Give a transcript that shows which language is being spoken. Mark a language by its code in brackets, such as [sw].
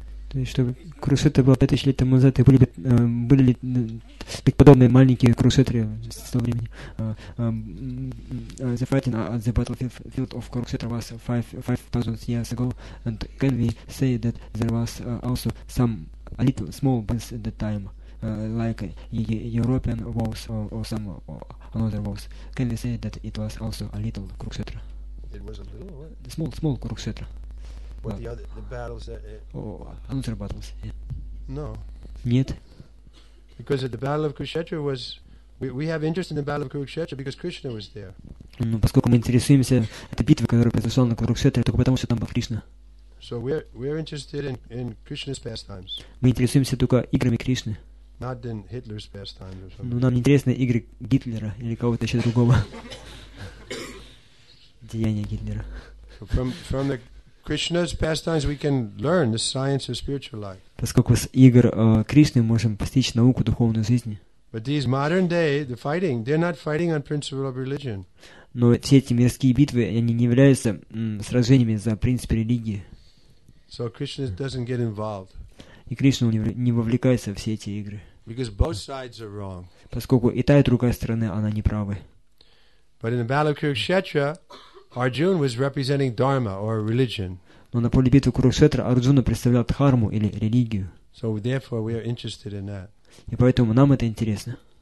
[ru] То есть, что Курусетра была 5000 лет тому назад, и были ли подобные маленькие Курусетры с того времени? [en] The fighting at the battlefield of Курусетра was 5000 years ago, and can we say that there was also some a little small bands at the time, like European wars or some other wars? Can we say that it was also a little Курусетра? It was a little what? Small Курусетра. What the battles that it... Oh, another battles, yeah. No. [ru] Нет. [en] Because the battle of Kurukshetra was... We have interest in the battle of Kurukshetra because Krishna was there. [ru] Ну, поскольку мы интересуемся этой битвой, которая произошла на Курукшетре, только потому, что там был Кришна. [en] So we're interested in Krishna's pastimes. [ru] Мы интересуемся только играми Кришны. [en] Not in Hitler's pastimes or something. [ru] Ну, нам не интересны игры Гитлера или кого-то еще другого. Деяния Гитлера. [en] From the... Krishna's pastimes, we can learn the science of spiritual life. [ru] Поскольку с игр Кришны можем постичь науку духовной жизни. [en] But these modern day, the fighting, they're not fighting on principle of religion. [ru] Но все эти мирские битвы, они не являются сражениями за принципы религии. [en] So Krishna doesn't get involved. [ru] И Кришна не вовлекается в все эти игры. [en] Because both sides are wrong. [ru] Поскольку и та, и другая сторона, она не правы. [en] But in the battle of Kurukshetra, Arjun was representing dharma or religion. [ru] Но на поле битвы Курукшетра Арджуна представлял дхарму или религию. [en] So therefore we are interested in that. [ru] И поэтому нам это интересно.